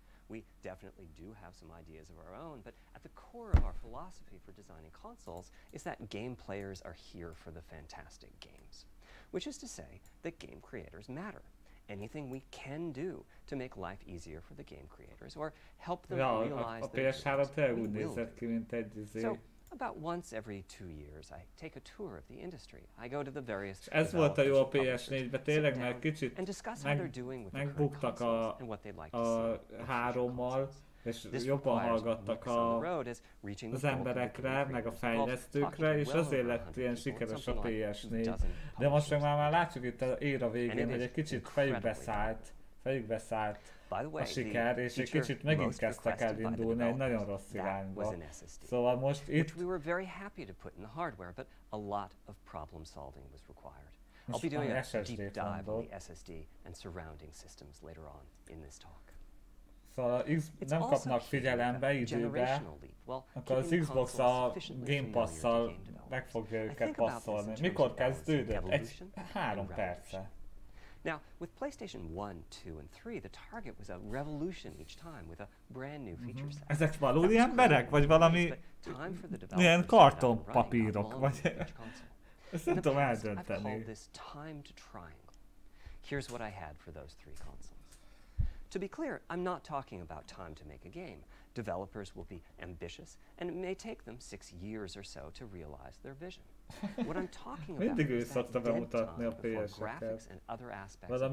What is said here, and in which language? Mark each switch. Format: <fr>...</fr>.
<en>We definitely do have some ideas of our own, but at the core of our philosophy for designing consoles is that game players are here for the fantastic games, which is to say that game creators matter. Anything we can do to make life easier for the game creators or help them realize their dreams, we will do. So, About once every 2 years, I take a tour of the industry. I go to the various.</en> <hu>Ez volt a jó a PS4-ben, tényleg, mert kicsit megbuktak a 3-mal, és jobban hallgattak az emberekre, meg a fejlesztőkre, és azért lett ilyen sikeres a PS4. De most meg már látjuk itt az éra végén, hogy egy kicsit fejükbe szállt a siker, és egy kicsit megint kezdtek el indulni egy nagyon rossz irányba. Szóval most itt...</hu> <en>Which we were very happy to put in the hardware, but a lot of problem solving was required. I'll be doing a deep dive on the SSD and surrounding systems later on in this talk.</en> <hu>Szóval nem kapnak figyelembe időbe, akkor az Xbox a Game Pass-szal meg fogja őket passzolni. Mikor kezdődött? 3 perce.</hu> <en>Now, with PlayStation 1, 2, and 3, the target was a revolution each time with a brand new feature set.</en> <hu>Mm-hmm. Ezek valódi emberek? Vagy valami ilyen kartonpapírok? Ezt nem tudom eldönteni.</hu> <en>I've called this time to triangle. Here's what I had for those three consoles. To be clear, I'm not talking about time to make a game. Developers will be ambitious, and it may take them 6 years or so to realize their vision. What I'm talking about</en> <hu>mindig</hu> <en>is that dead time before graphics and other aspects of</en>